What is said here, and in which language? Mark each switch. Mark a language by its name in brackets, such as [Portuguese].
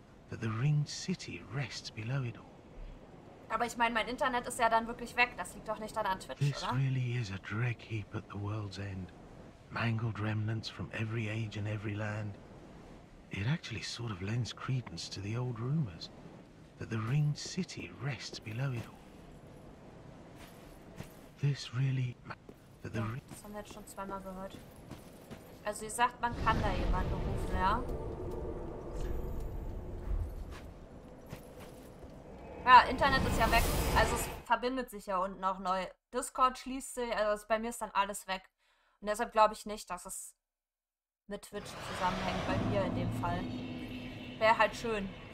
[English] That the ringed city rests below it all. [German] Aber ich meine, mein Internet ist ja dann wirklich weg. Das liegt doch nicht dann an Twitch, [English] this [German] oder? [English] Really is a dreck heap at the world's end. Mangled remnants from every age and every land. It actually sort of lends credence to the old rumors that the ringed city rests below it all. This really... That the [German] ja, das haben wir jetzt schon zweimal gehört. Also ihr sagt, man kann da jemanden rufen, ja? Ja, Internet ist ja weg. Also es verbindet sich ja unten auch neu. Discord schließt sich, also bei mir ist dann alles weg. Und deshalb glaube ich nicht, dass es mit Twitch zusammenhängt, bei mir in dem Fall. Wäre halt schön.